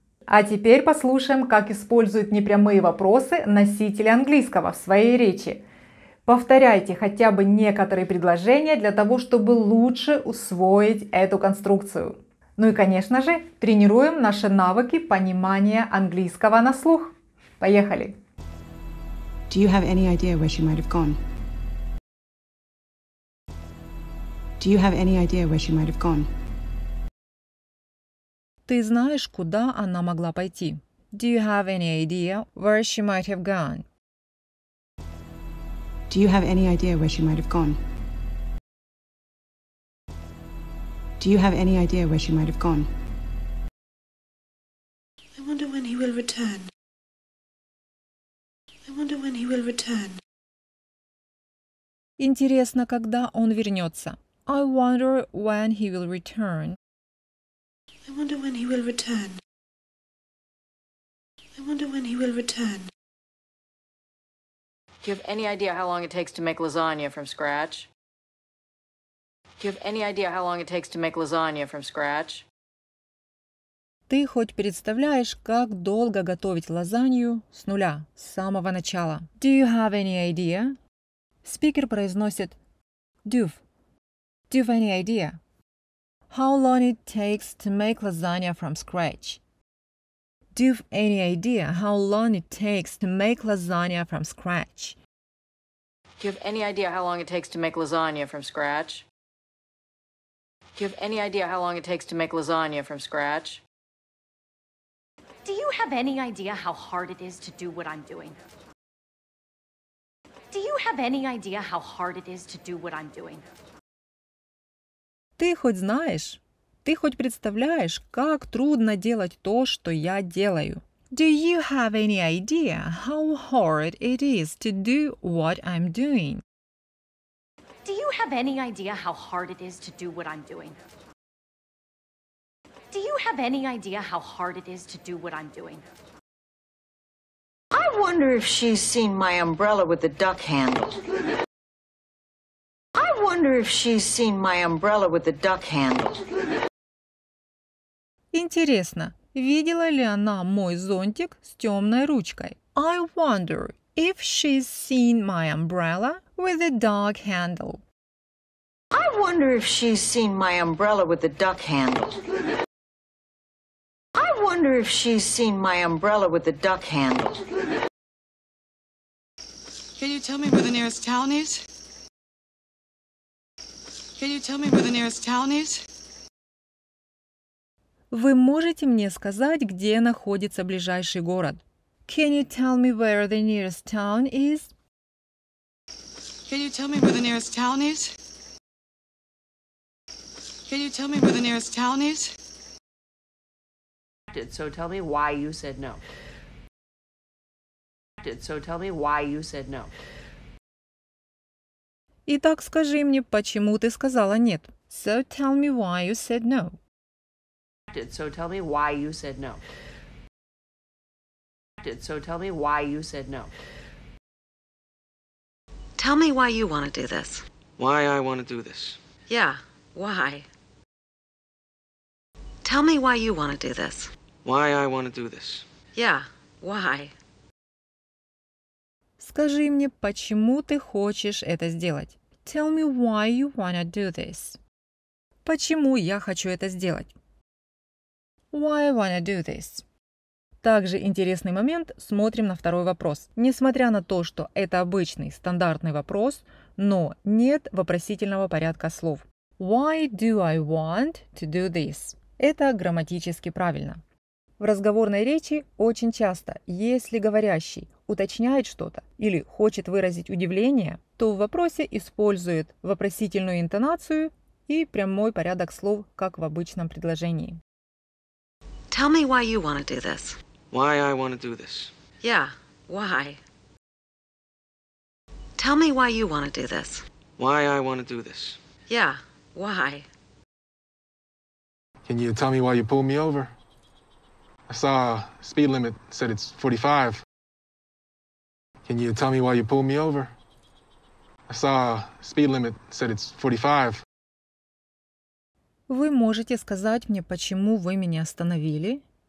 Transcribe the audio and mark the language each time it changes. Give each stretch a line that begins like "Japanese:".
Russian: А теперь послушаем, как используют непрямые вопросы носители английского в своей речи. Повторяйте хотя бы некоторые предложения для того, чтобы лучше усвоить эту конструкцию. Ну и, конечно же, тренируем наши навыки понимания английского на слух. Поехали!
English: Do you have any idea where she might have gone? Do you have any idea where she might have gone?
Russian: Ты знаешь, куда она могла пойти?
English: Do you have any idea where she might have gone? Do you have any idea where she might have gone? Do you have any idea where she might have gone? I wonder when he will return. I wonder when he will return.
Russian: Интересно, когда он вернется.
English: I wonder when he will return. I wonder when he will return. I wonder when he will return. Do you have any idea how long it takes to make lasagna from scratch? Do you have any idea how long it takes to make lasagna from scratch?
Russian: Ты хоть представляешь, как долго готовить лазанью с нуля, с самого начала?
English: Do you have any idea?
Russian: Спикер произносит «Дюв».
English: Do you have any idea? How long it takes to make lasagna from scratch? Do you have any idea how long it takes to make lasagna from scratch? Do you have any idea how long it takes to make lasagna from scratch? Do you have any idea how long it takes to make lasagna from scratch? Do you have any idea how hard it is to do what I'm doing? Do you have any idea how hard it is to do what I'm doing?
Russian: Ты хоть знаешь? Ты хоть представляешь, как трудно делать то, что я делаю?
English: Do you have any idea how hard it is to do what I'm doing? Do you have any idea how hard it is to do what I'm doing? Do you have any idea how hard it is to do what I'm doing? I wonder if she's seen my umbrella with the duck handle. I wonder if she's seen my umbrella with the duck handle.
Russian: Интересно, видела ли она мой зонтик с темной ручкой?
English: I wonder if she's seen my umbrella with a dog handle. I wonder if she's seen my umbrella with a duck handle. I wonder if she's seen my umbrella with a duck handle. Can you tell me where the nearest town is? Can you tell me where the nearest town is?
Russian: Вы можете мне сказать, где находится ближайший город?
English: Can you tell me where the nearest town is? Can you tell me where the nearest town is? Can you tell me where the nearest town is? So tell me why you said no. So tell me why you said no.
Russian: Итак, скажи мне, почему ты сказала нет?
English: So tell me why you said no. So tell me why you said no. So tell me why you said no. Tell me why you want to do this. why I want to do this. Yeah, why? Tell me why you want to do this. Why I want to do this. Yeah, why?
Russian: Скажи мне, почему ты хочешь это сделать?
English: Tell me why you wanna do this.
Russian: Почему я хочу это сделать?
English: Why I wanna do this.
Russian: Также интересный момент, смотрим на второй вопрос. Несмотря на то, что это обычный стандартный вопрос, но нет вопросительного порядка слов.
English: Why do I want to do this?
Russian: Это грамматически правильно. В разговорной речи очень часто, если говорящий уточняет что-то или хочет выразить удивление, то в вопросе использует вопросительную интонацию и прямой порядок слов, как в обычном предложении.
English: Tell me why you want to do this. Why I want to do this. Yeah, why? Tell me why you want to do this. Why I want to do this. Yeah, why? Can you tell me why you pulled me over? I saw a speed limit said it's 45. Can you tell me why you pulled me over? I saw a speed limit said it's 45.
Russian: Вы можете сказать мне, почему вы меня остановили?